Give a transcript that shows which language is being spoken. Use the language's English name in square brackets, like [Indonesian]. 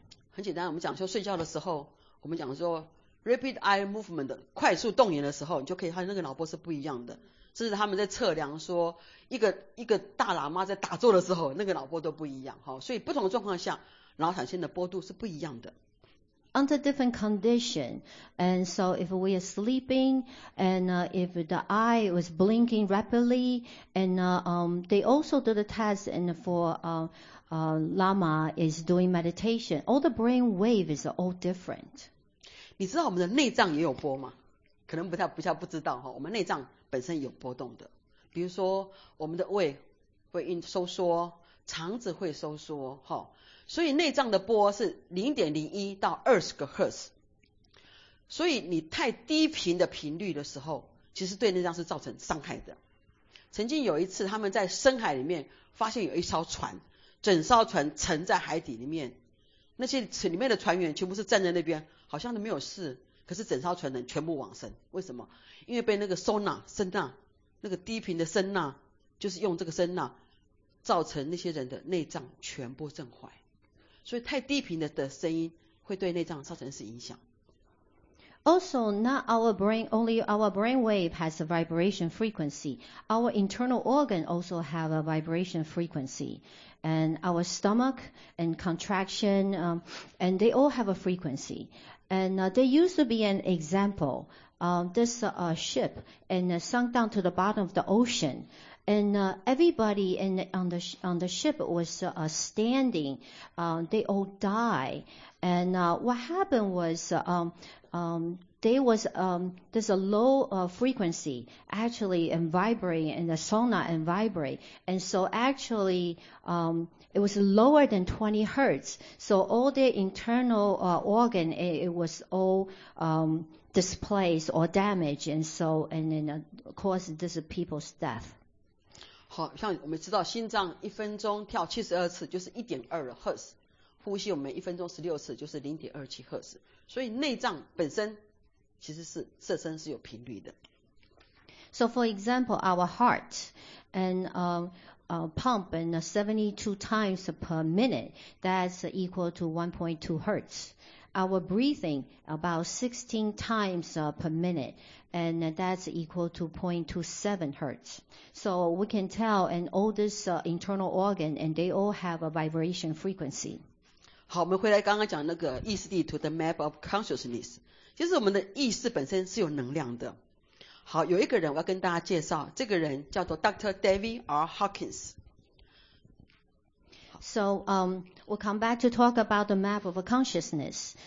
[Chinese] 很简单，我们讲说睡觉的时候，我们讲说 [English] rapid eye movement [Chinese] 快速动眼的时候，你就可以看那个脑波是不一样的。甚至他们在测量说一个大喇嘛在打坐的时候那个脑波都不一样，所以不同的状况下脑产生的波度是不一样的。 [English] Under different condition, and so if we are sleeping, and if the eye was blinking rapidly, and they also do the test, and for Lama is doing meditation, all the brain wave is all different. [Chinese] 你知道我们的内脏也有波吗？可能不太不知道，我们内脏本身有波动的，比如说我们的胃会收缩，肠子会收缩，哈，所以内脏的波是0.01到20个赫兹。所以你太低频的频率的时候，其实对内脏是造成伤害的。曾经有一次他们在深海里面发现有一艘船，整艘船沉在海底里面，那些里面的船员全部是站在那边好像都没有事，可是整艘船人全部往生。为什么？因为被那个声呐那个低频的声呐，就是用这个声呐造成那些人的内脏全部震坏。所以太低频的声音会对内脏造成是影响。 [English] Also, not our brain, only our brain wave has a vibration frequency. Our internal organ also have a vibration frequency. And our stomach and contraction, and they all have a frequency. And there used to be an example, this ship, and sunk down to the bottom of the ocean. And everybody on the ship was standing. They all die. And what happened was, there's a low frequency actually and vibrate in the sauna and vibrate. And so actually, it was lower than 20 hertz. So all the internal organ, it was all displaced or damaged. And so, and then caused this people's death. [Chinese] 好像我们知道心脏一分钟跳72次就是 1.2 的 Hz， 呼吸我们一分钟16次就是 0.27 Hz， 所以内脏本身其实是色身是有频率的。 [English] So for example our heart and pump and 72 times per minute, that's equal to 1.2 Hz. Our breathing about 16 times per minute, and that's equal to 0.27 Hz. So we can tell and all this internal organ and they all have a vibration frequency. [Chinese] 好，我们回来刚刚讲那个意识地图 [English] the map of consciousness. [Chinese] 其实我们的意识本身是有能量的。好，有一个人我要跟大家介绍，这个人叫做 Dr. David R. Hawkins。 [English] So, we'll come back to talk about the map of consciousness.